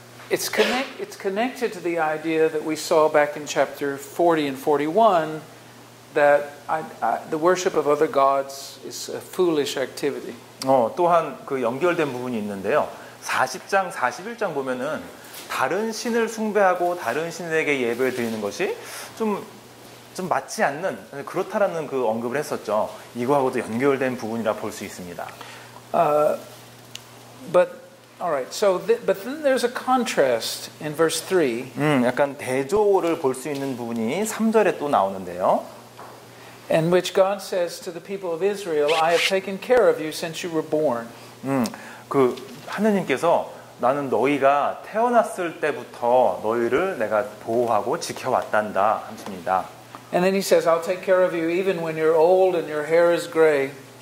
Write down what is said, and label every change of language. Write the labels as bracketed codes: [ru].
[en] It's connected to the idea that we saw back in chapter 40 and 41 that the worship of other gods is a foolish activity. [ko] 또한 그 연결된 부분이 있는데요. 40장 41장 보면은 다른 신을 숭배하고 다른 신에게 예배를 드리는 것이 좀 맞지 않는 그렇다라는 그 언급을 했었죠. 이거하고도 연결된 부분이라 볼 수 있습니다. [en] But then there's a contrast in verse 3. [ko] 약간 대조를 볼 수 있는 부분이 3절에 또 나오는데요. [en] In which God says to the people of Israel, I have taken care of you since you were born. [ko] 그 하느님께서 나는 너희가 태어났을 때부터 너희를 내가 보호하고 지켜왔단다 하십니다. [en] And then he says, I'll take care of you even when you're old and your hair is gray.